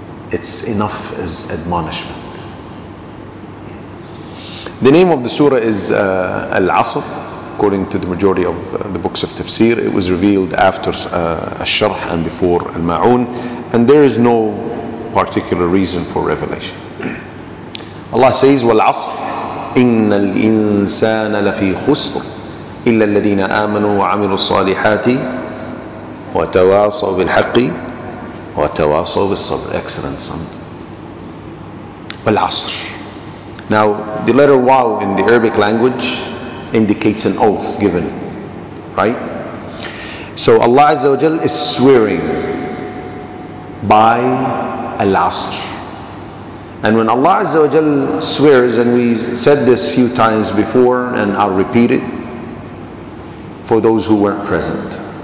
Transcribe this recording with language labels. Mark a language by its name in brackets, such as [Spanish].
[English] It's enough as admonishment. The name of the surah is Al-Asr. According to the majority of the books of tafsir, it was revealed after Al-Sharh and before Al-Ma'un, and there is no particular reason for revelation. Allah says, [Arabic] وَالْعَصْرِ إِنَّ الْإِنسَانَ لَفِي خُسْرٍ إِلَّا الَّذِينَ آمَنُوا وَعَمِلُوا الصَّالِحَاتِ وَتَوَاصَوْا بِالْحَقِّ وَتَوَاصَوْا بِالصَّبْرِ. [English] Excellent, son. وَالْعَصْرِ. Now, the letter waw in the Arabic language indicates an oath given, right? So Allah Azza wa Jal is swearing by Al-Asr. And when Allah Azza wa Jal swears, and we said this a few times before, and I'll repeat it for those who weren't present.